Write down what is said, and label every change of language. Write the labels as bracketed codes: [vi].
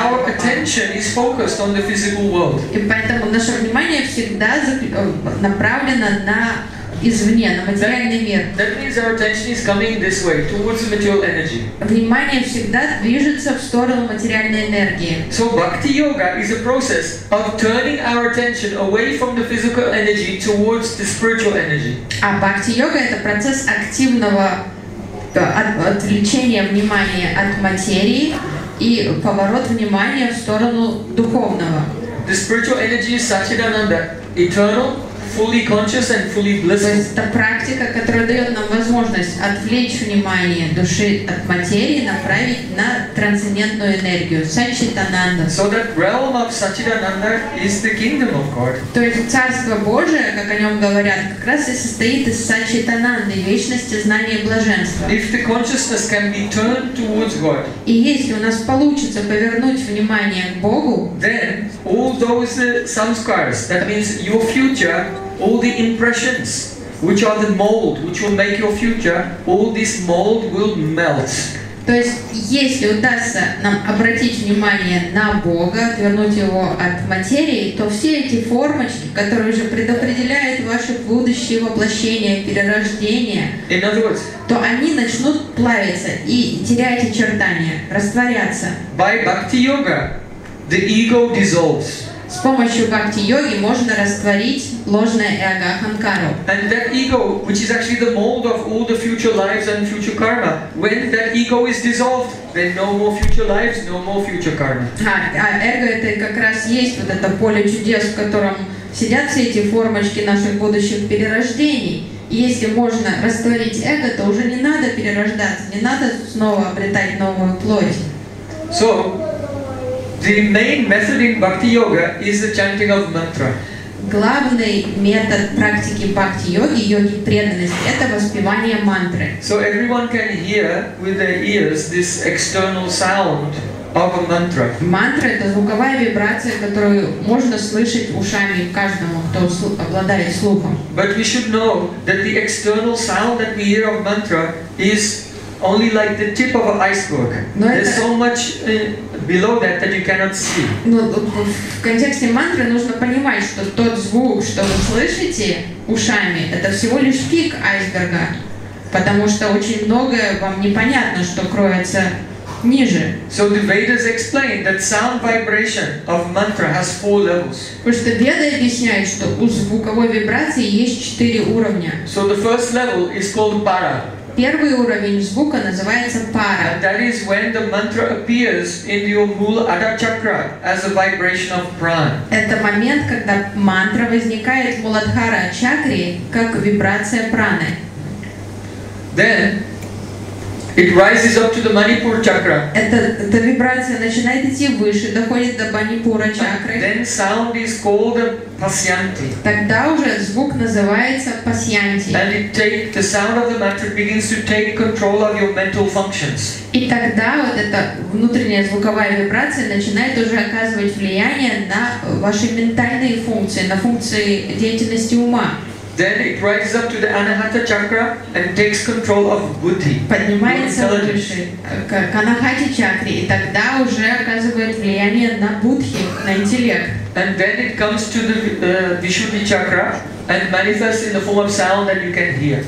[en] Our attention is focused on the physical world. [ru] И поэтому наше внимание всегда направлено на извне, на материальный мир. [en] That means our attention is coming this way, towards material energy. [ru] Внимание всегда движется в сторону материальной энергии. [en] So bhakti yoga is a process of turning our attention away from the physical energy towards the spiritual energy. [ru] А бхакти йога это процесс активного отвлечения внимания от материи и поворот внимания в сторону духовного. [en] The spiritual energy is Satchidananda, eternal, fully conscious and fully blissful. [ru] То есть это практика, которая дает нам возможность отвлечь внимание души от материи, направить на трансцендентную энергию, Сачидананда. [en] So that realm of Сачидананда is the kingdom of God. [ru] То есть царство Божие, как о нем говорят, как раз и состоит из Сачидананды, вечности, знания и блаженства. [en] If the consciousness can be turned towards God. [ru] И если у нас получится повернуть внимание к Богу, [en] then all those samskaras, that means your future, all the impressions, which are the mold, which will make your future, all this mold will melt. [ru] То есть, если удастся нам обратить внимание на Бога, отвернуть его от материи, то все эти формочки, которые уже предопределяют ваше будущее воплощение, перерождение, то они начнут плавиться и терять очертания, растворяться. [en] By bhakti-yoga, the ego dissolves. [ru] С помощью бхакти-йоги можно растворить ложное эго, аханкару. [en] And that ego, which is actually the mold of all the future lives and future karma, when that ego is dissolved, then no more future lives, no more future karma. [ru] А эго это как раз есть вот это поле чудес, в котором сидят все эти формочки наших будущих перерождений. И если можно растворить эго, то уже не надо перерождаться, не надо снова обретать новую плоть. [en] So, the main method in Bhakti Yoga is the chanting of mantra. [ru] Главный метод практики Бхакти Йоги, йоги преданности, это воспевание мантры. [en] So everyone can hear with their ears this external sound of a mantra. [ru] Мантра это звуковая вибрация, которую можно слышать ушами каждому, кто обладает слухом. [en] But we should know that the external sound that we hear of mantra is only like the tip of an iceberg. There's so much below that that you cannot see. [ru] Но в контексте мантры нужно понимать, что тот звук, что вы слышите ушами, это всего лишь пик айсберга, потому что очень многое вам непонятно, что кроется ниже. [en] So the Vedas explain that sound vibration of mantra has four levels. [ru] Потому что Веды объясняют, что у звуковой вибрации есть четыре уровня. [en] So the first level is called para. [ru] Первый уровень звука называется пара. [en] And that is when the mantra appears in your Mooladhara chakra as a vibration of prana. [ru] Это момент, когда мантра возникает в Мooladhara чакре как вибрация праны. [en] Then it rises up to the Manipura chakra. [ru] Эта вибрация начинает идти выше, доходит до Манипура чакры. [en] Then sound is called Pasyanti. [ru] Тогда уже звук называется Pasyanti. [en] And the sound of the mantra begins to take control of your mental functions. [ru] И тогда вот эта внутренняя звуковая вибрация начинает уже оказывать влияние на ваши ментальные функции, на функции деятельности ума. [en] Then it rises up to the Anahata chakra and takes control of buddhi. [ru] Поднимается выше к Анахате чакре, и тогда уже оказывает влияние на буддхи, на интеллект. [en] And then it comes to the Вишудхи chakra and manifests in the form of sound that you can hear.